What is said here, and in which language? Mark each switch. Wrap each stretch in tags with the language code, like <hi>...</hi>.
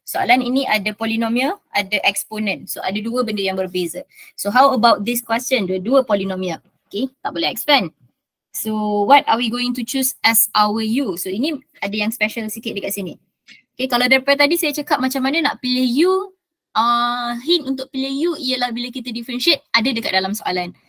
<ms>Soalan ini ada polinomial, ada exponent. So ada dua benda yang berbeza.</ms> <en>So how about this question?</en> <ms>Dua polinomial. Okay, tak boleh expand.</ms> <en>So what are we going to choose as our u?</en> <ms>So ini ada yang special sikit dekat sini. Okay, kalau daripada tadi saya cakap macam mana nak pilih u, hint untuk pilih u ialah bila kita differentiate ada dekat dalam soalan.</ms>